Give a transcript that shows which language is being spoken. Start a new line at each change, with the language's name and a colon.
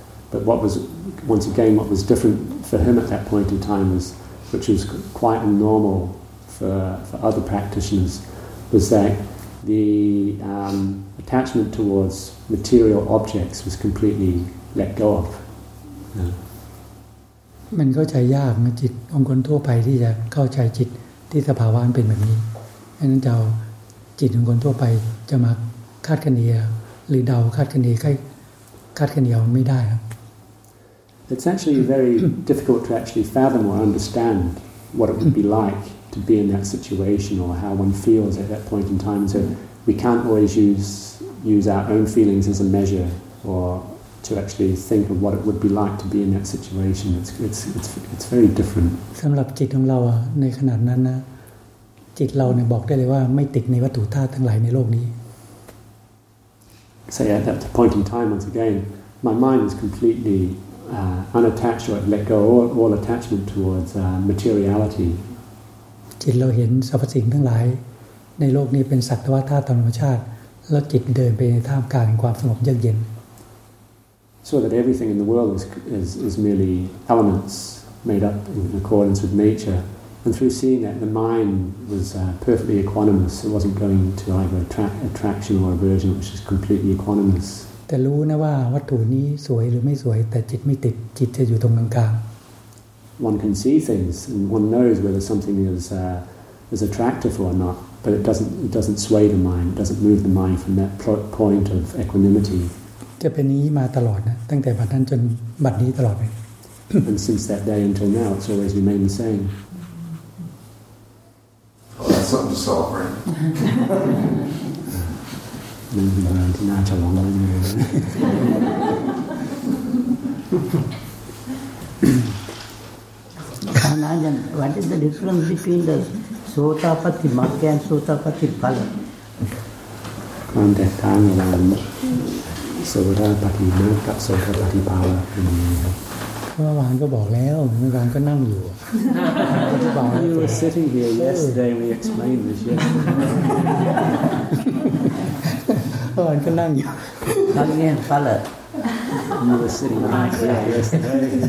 English: But what was, once again, what was different for him at that point in time, was, which was quite normal for other practitioners, was that the attachment towards material objects was completely let go of.
Thai: มันเข้าใจยากนะจิตของคนทั่วไปที่จะเข้าใจจิตที่สภาวะมันเป็นแบบนี้ฉะนั้นจะจิตของคนทั่วไปจะมาคาดคะเนหรือเดาคาดคะเนคาดคะเนไม่ได้ครับ
English: It's actually very difficult to actually fathom or understand what it would be like to be in that situation or how one feels at that point in time. So we can't always use our own feelings as a measure orto actually think of what it would be like to be in that situation. It's very different.
Thai: สำหรับจิตของเราในขนาดนั้นนะจิตเราเนี่ยบอกได้เลยว่าไม่ติดในวัตถุธาตุทั้งหลายในโลกนี้
English: So yeah, at that point in time, once again, my mind is completely unattached or let go all attachment towards materiality.
Thai: จิตเราเห็นสรรพสิ่งทั้งหลายในโลกนี้เป็นสักแต่ว่าธาตุธรรมชาติแล้วจิตเดินไปในท่ามกลางความสงบเยือกเย็น
English: So that everything in the world is merely elements made up in accordance with nature, and through seeing that, the mind was perfectly equanimous. It wasn't going to either attraction or aversion, which is completely equanimous.
Thai: แต่รู้นะว่าวัตถุนี้สวยหรือไม่สวยแต่จิตไม่ติดจิตจะอยู่ตรงกลางกลาง
English: One can see things and one knows whether something is attractive or not, but it doesn't sway the mind. It doesn't move the mind from that point of equanimity.
Thai: จะเป็นนี้มาตลอดนะตั้งแต่บัดนั้นจนบัดนี้ตลอดไป
English: And since that day until now, it's always remained the same. Oh, that's something to solve, right?
Thai: มันมีอะไรที่น่าจะลองดูนะ ข้างหน้ายัง
English: What is the difference between the Sotapatthimagga and Sotapatthipala?
Thai: ความแตกต่างระหว่างโสดาปัตติมรรคกับโสดาปัตติภาวะเป็นยังไงครับเมื่อวานก็บอกแล้วเมื่อวานก็นั่งอยู่
English: You were sitting here yesterday we explained this yesterday
Thai: เมื่อวานก็นั่งอยู่นั่งเงียบฟังเลย
English: You were sitting here yesterday